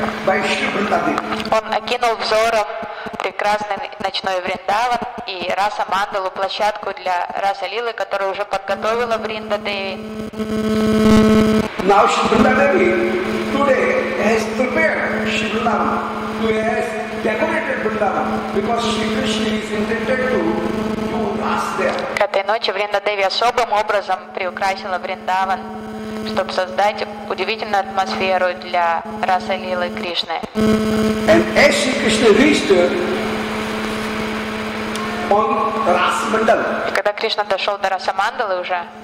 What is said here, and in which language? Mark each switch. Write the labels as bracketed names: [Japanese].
[Russian] Он окинул взором прекрасный ночной Вриндаван и Раса Мандалу, площадку для Раса Лилы, которую уже подготовила Вринда Деви. [English] Now Shri Vrinda Devi today has prepared Shri Vrindavan, who has decorated Vrindavan, because Shri Krishna is intended to do Ras there. [Russian] К этой ночи Вринда Деви особым образом приукрасила Вриндаван, чтобы создать удивительную атмосферу для Раса Лилы Кришны. [English] And as Shri Krishna reached on Ras Mandal, [Russian] и когда Кришна дошел до Раса Мандалы уже,